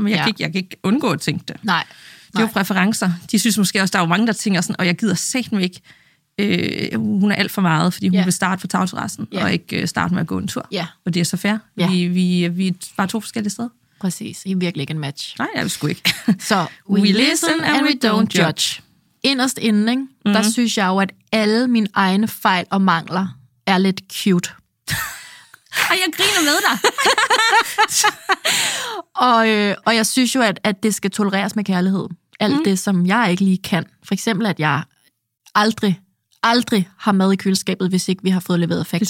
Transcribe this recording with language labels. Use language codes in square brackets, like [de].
[da] Men jeg kan ikke undgå at tænke det. Nej. Det er jo præferencer. De synes måske også, der er jo mange, der tænker sådan, og jeg gider satme ikke. Hun er alt for meget, fordi hun vil starte på tagterrassen, og ikke starte med at gå en tur. Ja. Og det er så fair. Ja. Vi er bare to forskellige steder. Præcis. I er virkelig ikke en match. Nej, jeg vil sgu ikke. [en] Så we listen and we don't judge. [da] Inderst inden, ikke, der synes jeg jo, at alle mine egne fejl og mangler er lidt cute. Ej, jeg griner med dig. og jeg synes jo, at det skal tolereres med kærlighed. Alt det, som jeg ikke lige kan. For eksempel, at jeg aldrig har mad i køleskabet, hvis ikke vi har fået leveret Factor Meals.